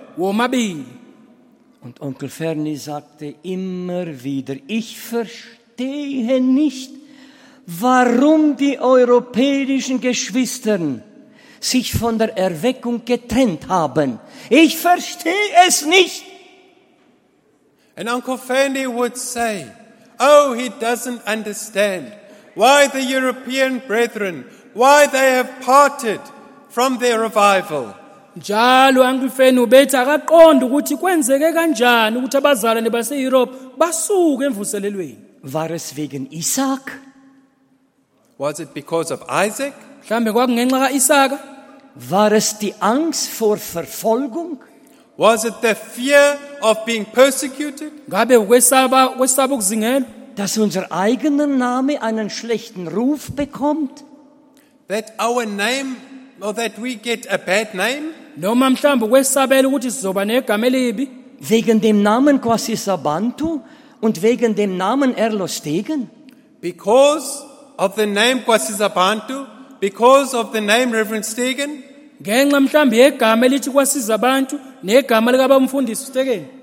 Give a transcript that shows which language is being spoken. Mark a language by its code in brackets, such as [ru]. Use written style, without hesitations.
[de] Und Onkel Ferny sagte immer wieder, ich verstehe nicht, warum die europäischen Geschwister sich von der Erweckung getrennt haben. Ich verstehe es nicht. [en] And Uncle Ferny would say, oh, he doesn't understand why the European brethren, why they have parted from their revival. [zu] Njalo Uncle Fanny ubethi akaqonda ukuthi kwenzeke kanjani ukuthi abazalwane base-Europe basuke emvuselelweni. [de] War es wegen Isaac? [en] Was it because of Isaac? [zu] Mhlambe kwakungenxa ka-Isaka? [de] War es die Angst vor Verfolgung? [en] Was it the fear of being persecuted? [zu] Ngabe ukwesaba ukuzingelwa? [de] Dass unser eigener Name einen schlechten Ruf bekommt? [en] That our name or that we get a bad name? [zu] Noma mhlamba kwesabela ukuthi sizoba negama elibi? [de] Wegen dem Namen Kwasi Sabantu und wegen dem Namen Erlo Stegen? [en] Because of the name Kwasi Sabantu, because of the name Reverend Stegen? [zu] Ngenxa mhlamba yegama elithi Kwasi Sabantu negama lika bamfundisi Stegen.